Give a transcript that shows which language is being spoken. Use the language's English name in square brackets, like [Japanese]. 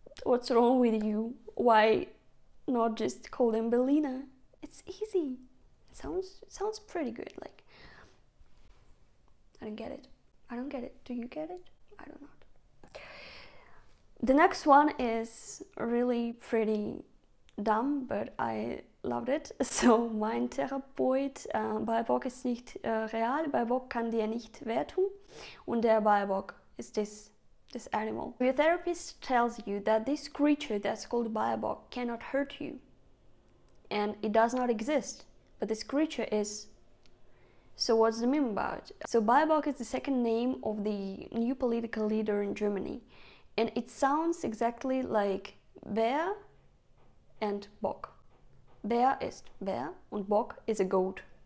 [English] What's wrong with you? Why not just call them Berliner? It's easy. It sounds pretty good. Like, I don't get it. Do you get it? I don't know. The next one is really pretty dumb, but I loved it. [German] So, mein Therapeut, Baerbock ist nicht real, Baerbock kann dir nicht wehtun. Und der [English] Baerbock is this animal. Your therapist tells you that this creature that's called Baerbock cannot hurt you. And it does not exist. But this creature is. So what's the meme about? So Baerbock is the second name of the new political leader in Germany. And it sounds exactly like Bär and Bock. [German] Bär ist Bär und Bock [English] is a goat.